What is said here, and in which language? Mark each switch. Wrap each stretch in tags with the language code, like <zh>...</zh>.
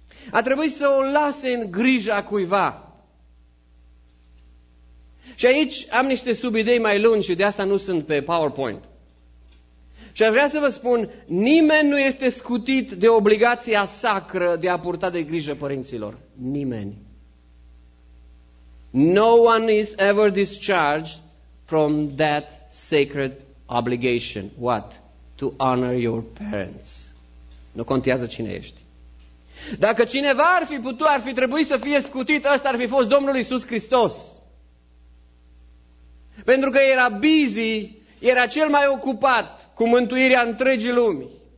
<ro>A trebuit să o lase în grijă a cuiva. Și aici am niște subidei mai lungi și de asta nu sunt pe PowerPoint. Și aș vrea să vă spun, nimeni nu este scutit de obligația sacră de a purta de grijă părinților. Nimeni.</ro> <en>No one is ever discharged from that sacred obligation. What? To honor your parents.</en> <ro>Nu contează cine ești. Dacă cineva ar fi putut, ar fi trebuit să fie scutit, ăsta ar fi fost Domnul Iisus Hristos. Pentru că era busy, era cel mai ocupat cu mântuirea întregii lumi.</ro>